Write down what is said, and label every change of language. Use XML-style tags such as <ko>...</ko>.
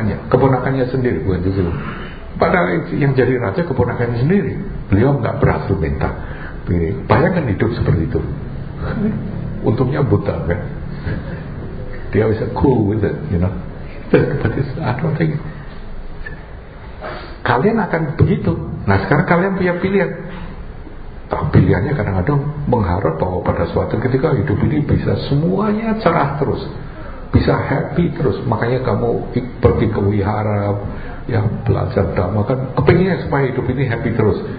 <id>Keponakannya sendiri, bukan itu. Padahal yang jadi raja keponakannya sendiri. Beliau enggak berhasil minta. Bayangkan hidup seperti itu. Untungnya buta kan.</id> <en>Right?</en> <id>Dia bisa</id> <en>cool with it, you know. But I don't think.</en> <id>Kalian akan begitu. Nah, sekarang kalian punya pilihan. Pilihannya kadang-kadang mengharap bahwa pada suatu ketika hidup ini bisa semuanya cerah terus. bisa happy terus. Makanya kamu pergi ke wihara, ya belajar dhamma, kan kepinginnya supaya hidup ini happy terus.</id>